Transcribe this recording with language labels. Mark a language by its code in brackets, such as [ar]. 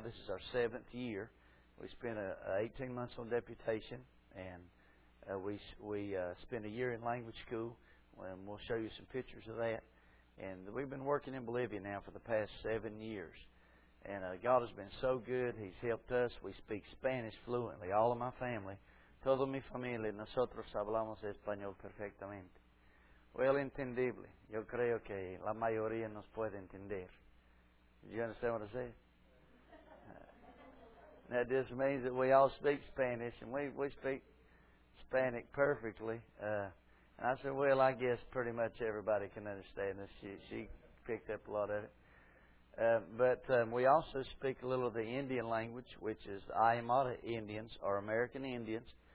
[en] This is our 7th year. We spent 18 months on deputation, and we spent a year in language school, and we'll show you some pictures of that. And we've been working in Bolivia now for the past 7 years. And God has been so good. He's helped us. We speak Spanish fluently, all of my family. [es] Toda mi familia, nosotros hablamos español perfectamente. Well, entendible. Yo creo que la mayoría nos puede entender. [en] Do you understand what I say? That just means that we all speak Spanish, and we speak Hispanic perfectly. And I said, well, I guess pretty much everybody can understand this. She picked up a lot of it. But we also speak a little of the Indian language, which is the Aymara Indians, or American Indians.